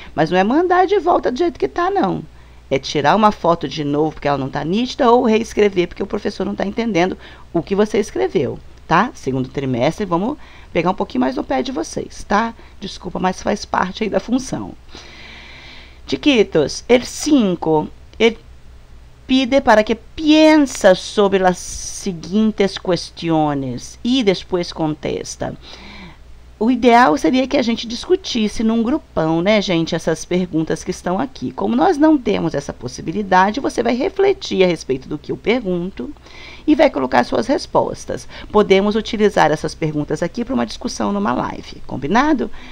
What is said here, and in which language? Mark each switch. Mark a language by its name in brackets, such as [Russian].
[Portuguese] Mas não é mandar de volta do jeito que está, não. É tirar uma foto de novo porque ela não está nítida, ou reescrever porque o professor não está entendendo o que você escreveu, tá? Segundo trimestre, vamos pegar um pouquinho mais no pé de vocês, tá? Desculpa, mas faz parte aí da função. [Spanish] Chiquitos, el 5, el pide para que piensa sobre las siguientes cuestiones y después contesta. [Portuguese] O ideal seria que a gente discutisse num grupão, né, gente, essas perguntas que estão aqui. Como nós não temos essa possibilidade, você vai refletir a respeito do que eu pergunto e vai colocar suas respostas. Podemos utilizar essas perguntas aqui para uma discussão numa live, combinado?